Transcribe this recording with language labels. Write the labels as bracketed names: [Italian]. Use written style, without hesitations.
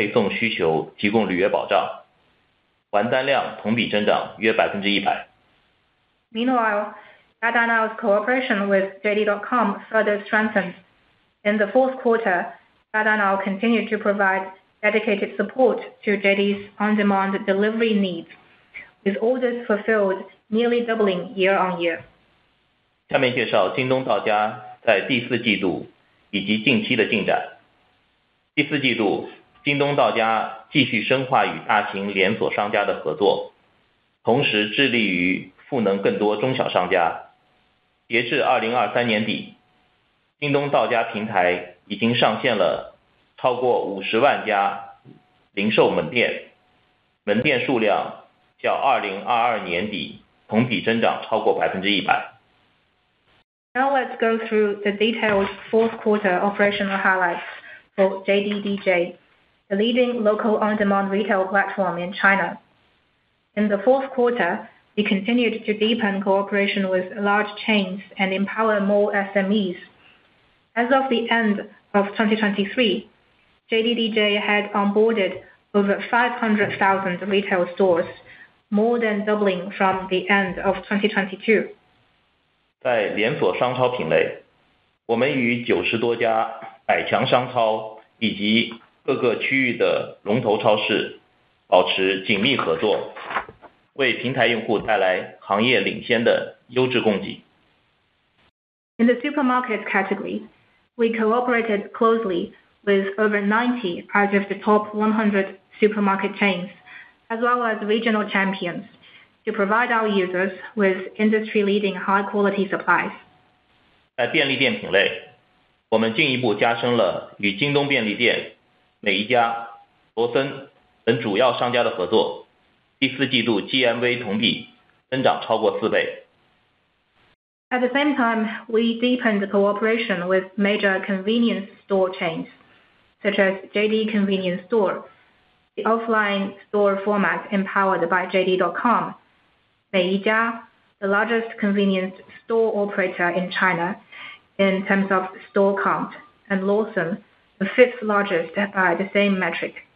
[Chinese] 达达快送与京东集团的合作也进一步加深。第四季度，达达快送持续为京东的即时配送需求提供履约保障。 [English] Meanwhile, DADA Now's cooperation with JD.com further strengthened. In the fourth quarter, DADA Now continued to provide dedicated support to JD's on-demand delivery needs, with orders fulfilled nearly doubling year on year. [Chinese] 下面介绍京东到家在第四季度以及近期的进展。第四季度，京东到家继续深化与大型连锁商家的合作，同时致力于赋能更多中小商家。截至2023年底，京东到家平台已经上线了超过50万家零售门店，门店数量较2022年底同比增长超过 100%。 [English] Now let's go through the detailed fourth quarter operational highlights for JDDJ, the leading local on-demand retail platform in China. In the fourth quarter, we continued to deepen cooperation with large chains and empower more SMEs. As of the end of 2023, JDDJ had onboarded over 500,000 retail stores, more than doubling from the end of 2022. [Chinese] 在连锁商超品类，我们与90多家百强商超以及各个区域的龙头超市保持紧密合作，为平台用户带来行业领先的优质供给。 [English] In the supermarket category, we cooperated closely with over 90 out of the top 100 supermarket chains, as well as regional champions. To provide our users with industry-leading high-quality supplies. [Chinese] 在便利店品类，我们进一步加深了与京东便利店、每一家、罗森等主要商家的合作。第四季度 GMV 同比增长超过四倍。 [English] At the same time, we deepened cooperation with major convenience store chains, such as JD Convenience Store, the offline store format empowered by JD.com. 每一家, the largest convenience store operator in China in terms of store count, and Lawson, the fifth largest by the same metric.